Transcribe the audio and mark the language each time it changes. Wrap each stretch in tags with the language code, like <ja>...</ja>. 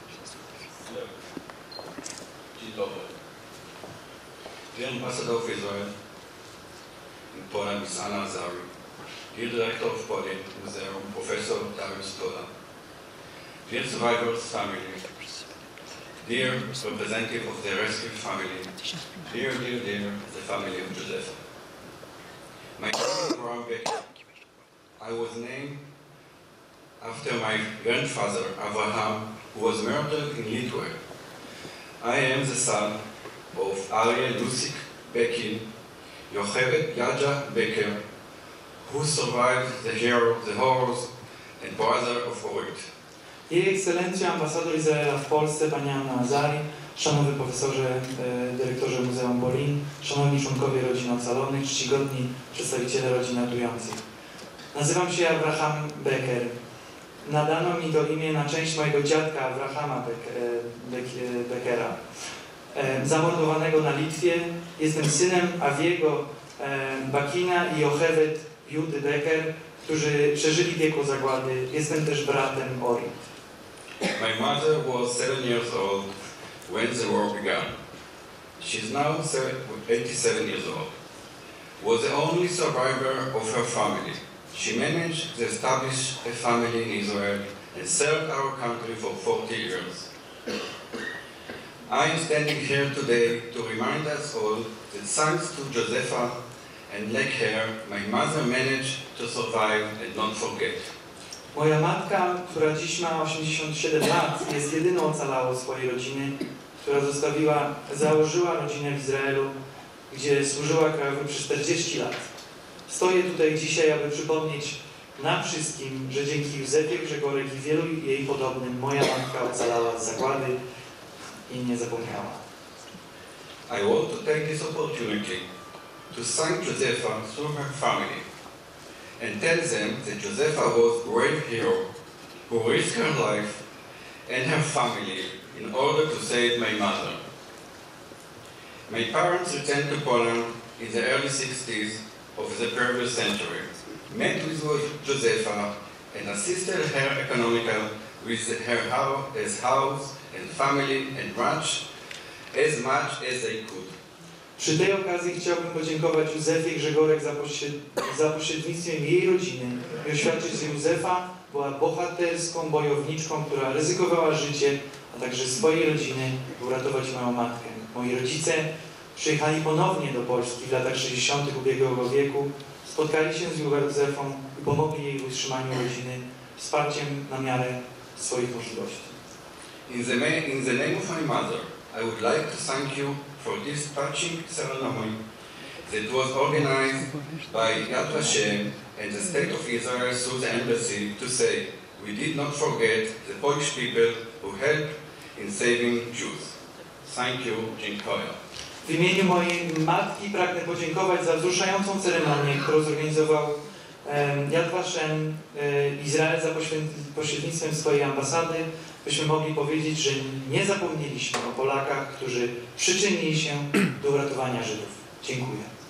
<pl>Zapraszam. Dzień dobry. Dzień ambasador Fizowy, pana Misana Zaru, dyrektor w Poli Muzeum, profesor Dariusz Stola.</pl> <en>Dear survivors' family, dear representative of the rescued family, dear the family of Josefa. My name is Abraham Becker. I was named after my grandfather, Abraham, who was murdered in Lithuania. I am the son of Ariel Lusik Bekin, Yocheved Yadja Becker, who survived the horrors, and brother of Orit.</en> <pl>Jej Ekscelencja Ambasador Izraela w Polsce, pani Anna Azari, szanowny profesorze, dyrektorze Muzeum Bolin, szanowni członkowie rodzin ocalonych, czcigodni przedstawiciele rodzin ratujących. Nazywam się Abraham Becker. Nadano mi to imię na część mojego dziadka Abrahama Beckera, zamordowanego na Litwie. Jestem synem Awiego Bakina i Jochewet Judy Becker, którzy przeżyli piekło zagłady. Jestem też bratem Ori.</pl> <en>My mother was 7 years old when the war began. She's now 87 years old. Was the only survivor of her family. She managed to establish a family in Israel and served our country for 40 years. I am standing here today to remind us all that thanks to Josefa and like her, my mother managed to survive and not forget.</en> <pl>Moja matka, która dziś ma 87 lat, jest jedyną ocalałą swojej rodziny, która założyła rodzinę w Izraelu, gdzie służyła krajowi przez 40 lat. Stoję tutaj dzisiaj, aby przypomnieć nam wszystkim, że dzięki Józefie Grzegorek i wielu jej podobnym, moja matka ocalała zagłady i nie zapomniała.</pl> <en>I want to take this opportunity to thank Josefa through her family. And tell them that Josefa was a brave hero who risked her life and her family in order to save my mother. My parents returned to Poland in the early 60s of the previous century, met with Josefa and assisted her economically with her house and family and ranch as much as they could.</en> <pl>Przy tej okazji chciałbym podziękować Józefie Grzegorek za pośrednictwem jej rodziny i oświadczyć, że Józefa była bohaterską bojowniczką, która ryzykowała życie, a także swojej rodziny, by uratować moją matkę. Moi rodzice przyjechali ponownie do Polski w latach 60. ubiegłego wieku, spotkali się z Józefą i pomogli jej w utrzymaniu rodziny wsparciem na miarę swoich możliwości.</pl> <en>In the name of my mother, I would like to thank you for this touching ceremony that was organized by Yad Vashem and the State of Israel through the embassy to say we did not forget the Polish people who helped in saving Jews. Thank you.</en> <pl>Dziękuję. W imieniu mojej matki pragnę podziękować za wzruszającą ceremonię, którą zorganizował Yad Vashem Izrael za pośrednictwem swojej ambasady, byśmy mogli powiedzieć, że nie zapomnieliśmy o Polakach, którzy przyczynili się do uratowania Żydów. Dziękuję.</pl>